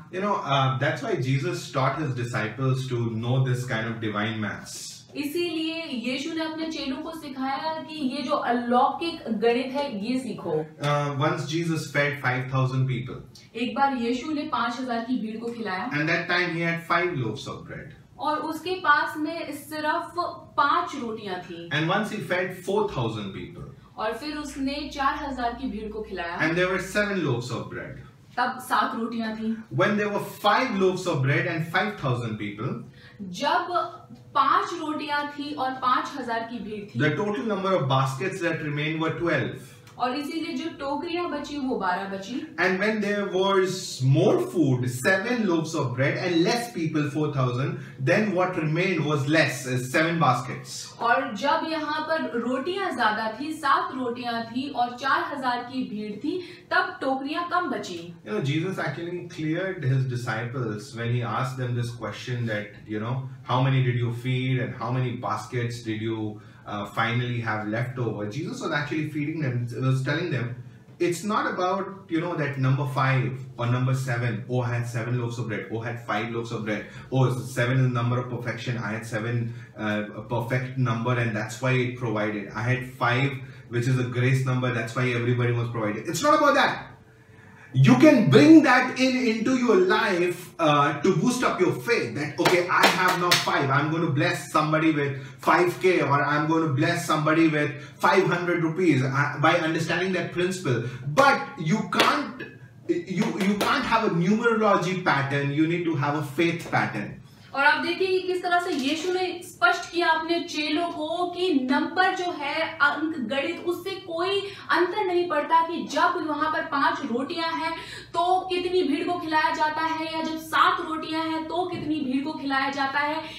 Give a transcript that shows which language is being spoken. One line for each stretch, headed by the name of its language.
English: You know that's why Jesus taught his disciples to know this kind of divine maths.
Hindi: इसीलिए यीशु ने अपने चेलों को सिखाया कि ये जो अलौकिक गणित है ये सीखो.
English: Once Jesus fed 5,000 people.
Hindi: एक बार यीशु ने 5,000 की भीड़ को खिलाया.
English: And that time he had 5 loaves of bread.
Hindi: और उसके पास में सिर्फ 5 रोटियां थी.
English: And once he fed 4,000 people.
Hindi: और फिर उसने 4,000 की भीड़ को खिलाया.
English: And there were 7 loaves of bread.
Hindi: तब 7 रोटियां थी.
English: When there were 5 loaves of bread and 5,000 people.
Hindi: जब 5 रोटियां थी और 5,000 की भीड़ थी.
English: The total number of baskets that remained were 12.
Hindi: और इसीलिए जो टोकरियां बची वो 12 बची.
English: And when there was more food, 7 loaves of bread and less people 4,000, then what remained was less, 7 baskets.
Hindi: और जब यहाँ पर रोटियां ज्यादा थी, 7 रोटियां थी और 4,000 की भीड़ थी, तब टोकरियां कम बची.
English: You know, Jesus actually cleared his disciples when he asked them this question that, you know, how many did you feed and how many baskets did you finally have left over. Jesus was actually feeding them, was telling them, it's not about, you know, that number 5 or number 7, oh, I had 7 loaves of bread, oh, I had 5 loaves of bread, oh, 7 is the number of perfection, I had 7 perfect number and that's why it provided. I had 5, which is a grace number, that's why everybody was provided. It's not about that. You can bring that in into your life to boost up your faith that, okay, I have now 5. I'm going to bless somebody with 5K or I'm going to bless somebody with 500 rupees by understanding that principle. But you can't have a numerology pattern. You need to have a faith pattern.
Hindi: और आप देखिए किस तरह से यीशु ने स्पष्ट किया अपने चेलों को कि नंबर जो है अंक गणित उससे कोई अंतर नहीं पड़ता कि जब वहां पर 5 रोटियां हैं तो कितनी भीड़ को खिलाया जाता है या जब 7 रोटियां हैं तो कितनी भीड़ को खिलाया जाता है।